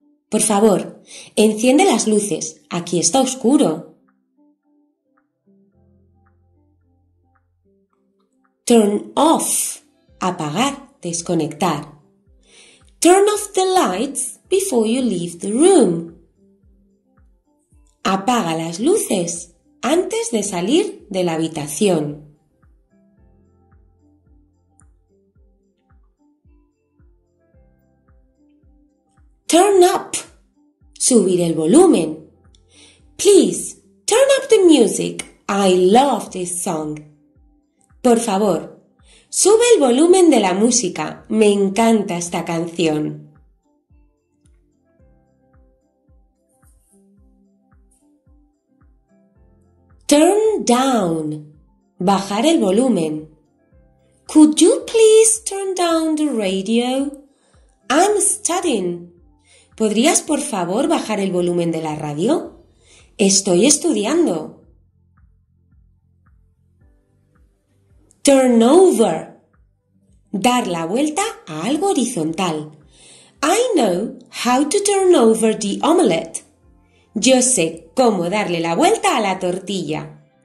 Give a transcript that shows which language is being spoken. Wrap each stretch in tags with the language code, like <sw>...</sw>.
<es>Por favor, enciende las luces. Aquí está oscuro.</es> <en>Turn off.</en> <es>Apagar, desconectar.</es> <en>Turn off the lights before you leave the room.</en> <es>Apaga las luces antes de salir de la habitación.</es> <en>Turn up.</en> <es>Subir el volumen.</es> <en>Please, turn up the music. I love this song.</en> <es>Por favor, sube el volumen de la música. Me encanta esta canción.</es> <en>Turn down.</en> <es>Bajar el volumen.</es> <en>Could you please turn down the radio? I'm studying.</en> <es>¿Podrías, por favor, bajar el volumen de la radio? Estoy estudiando.</es> <en>Turn over.</en> <es>Dar la vuelta a algo horizontal.</es> <en>I know how to turn over the omelette.</en> <es>Yo sé cómo darle la vuelta a la tortilla.</es>